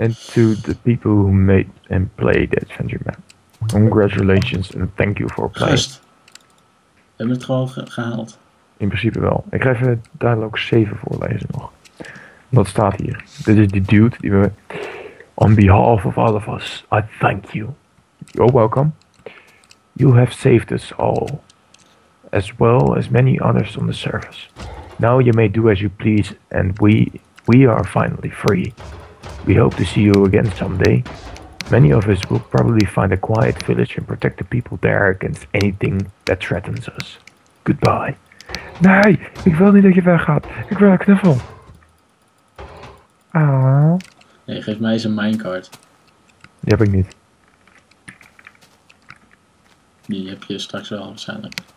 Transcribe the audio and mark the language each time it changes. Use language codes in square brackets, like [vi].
[en] And to the people who made and played Adventure Map. Congratulations and thank you for playing. Gest. [nl] We hebben het gewoon gehaald. In principe wel. Ik ga even dialoog 7 voorlezen nog. Dat staat hier. Dit is die dude die we... [en] On behalf of all of us, I thank you. You're welcome. You have saved us all. As well as many others on the surface. Now you may do as you please and we are finally free. We hope to see you again someday. Many of us will probably find a quiet village and protect the people there against anything that threatens us. Goodbye. [nl] Nee, ik wil niet dat je weggaat. Ik wil een knuffel. Ah. Nee, geef mij eens een minecart. Die heb ik niet. Die heb je straks wel waarschijnlijk.